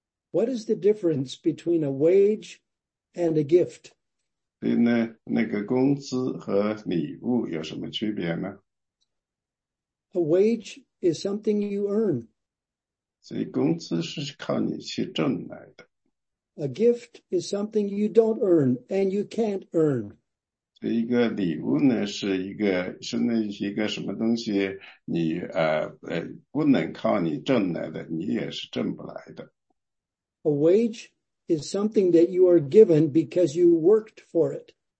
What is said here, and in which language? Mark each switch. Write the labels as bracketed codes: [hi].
[en] What is the difference between a wage and a gift? [zh] 所以呢,那个工资和礼物有什么区别呢? [en] A wage is something you earn. [zh] 所以工资是靠你去挣来的。 [en] A gift is something you don't earn and you can't earn. [zh] 所以一个礼物呢,是一个什么东西,你不能靠你挣来的,你也是挣不来的。 [en] A wage is something that you are given because you worked for it.